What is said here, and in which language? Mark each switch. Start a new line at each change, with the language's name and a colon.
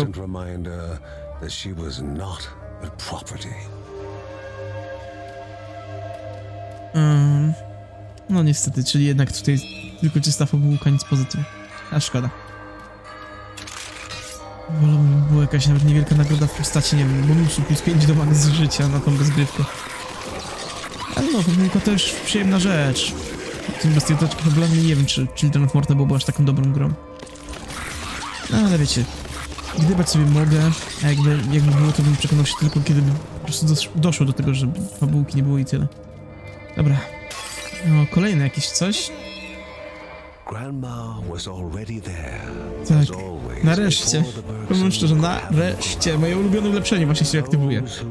English: Constant reminder that she was not a property.
Polish: No niestety, czyli jednak tutaj tylko czysta fabułka, nic poza tym. A szkoda. Wolałbym, by była jakaś nawet niewielka nagroda w postaci, nie wiem, bonusu plus 5 do max życia na tą rozgrywkę. Ale no, fabułka to już przyjemna rzecz. Bez tej otoczki problemu nie wiem, czy Children of Morta byłoby aż taką dobrą grą. No, ale wiecie, gdybać sobie mogę, a jakby było, to bym przekonał się tylko, kiedy po prostu doszło do tego, żeby fabułki nie było i tyle. Dobra. No, kolejne jakieś coś.
English: Grandma was already there.
Polish: Tak, nareszcie. Powiem szczerze, nareszcie. Moje ulubione ulepszenie właśnie się aktywuje.